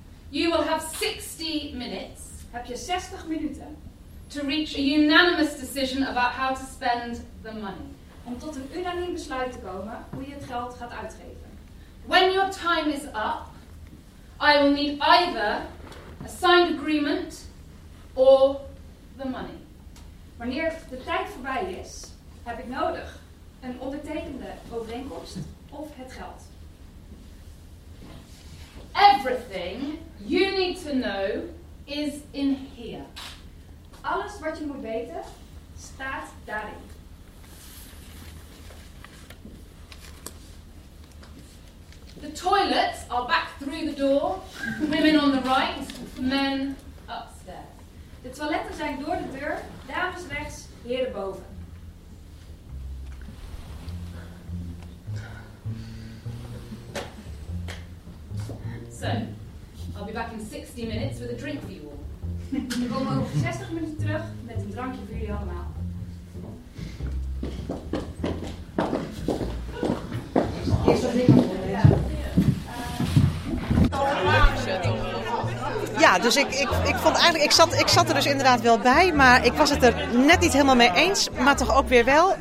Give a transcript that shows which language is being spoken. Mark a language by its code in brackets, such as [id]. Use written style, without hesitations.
[en] You will have 60 minutes, [nl] heb je 60 minuten, [en] to reach a unanimous decision about how to spend the money. [nl] Om tot een unaniem besluit te komen hoe je het geld gaat uitgeven. [en] When your time is up, I will need either a signed agreement or the money. [nl] Wanneer de tijd voorbij is, heb ik nodig een ondertekende overeenkomst of het geld. [en] Everything you need to know is in here. [nl] Alles wat je moet weten staat daarin. [en] The toilets are back through the door. Women on the right, men upstairs. [nl] De toiletten zijn door de deur. Dames rechts, heren boven. [en] So, I'll be back in 60 minutes with a drink for you all. [nl] We komen over 60 minuten terug met een drankje voor jullie allemaal. Ja, dus ik vond eigenlijk, ik zat er dus inderdaad wel bij, maar ik was het er net niet helemaal mee eens, maar toch ook weer wel.